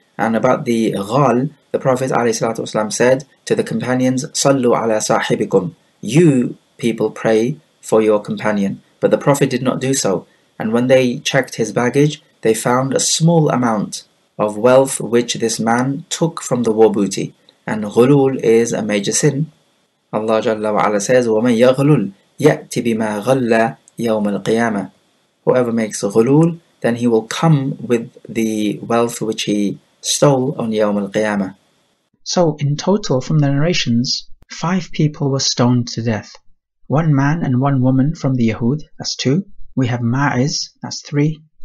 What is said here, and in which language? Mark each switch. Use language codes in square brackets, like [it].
[en] And about the ghal, the Prophet ﷺ said to the companions, Sallu ala sahibikum, you people pray for your companion. But the Prophet did not do so. And when they checked his baggage, they found a small amount of wealth which this man took from the war booty. And ghulul is a major sin. Allah Jalla wa Ala says, [ar] وَمَنْ يَغْلُلْ يَأْتِ بِمَا غَلَّ يَوْمَ الْقِيَامَةِ. [en] Whoever makes ghulul, then he will come with the wealth which he stole on [ar] يَوْمَ الْقِيَامَةِ. [en] So in total from the narrations, five people were stoned to death. One man and one woman from the Yahud, that's two. We have Ma'iz, that's three.